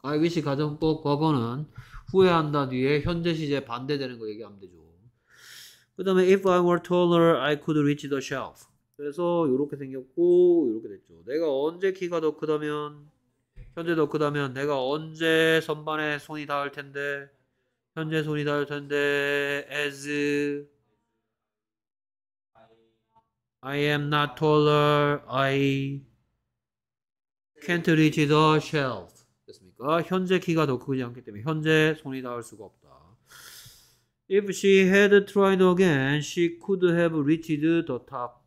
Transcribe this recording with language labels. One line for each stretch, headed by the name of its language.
Korean: I wish 가정법 과거는 후회한다 뒤에 현재 시제 반대되는 거 얘기하면 되죠. 그 다음에
English: If I were taller, I could reach the shelf.
Korean: 그래서 이렇게 생겼고 이렇게 됐죠. 내가 언제 키가 더 크다면 현재 더 크다면 내가 언제 선반에 손이 닿을 텐데 현재 손이 닿을 텐데
English: as I am not taller. I can't reach the shelf.
Korean: 됐습니까? 현재 키가 더 크지 않기 때문에 현재 손이 닿을 수가 없다.
English: If she had tried again, she could have reached the top.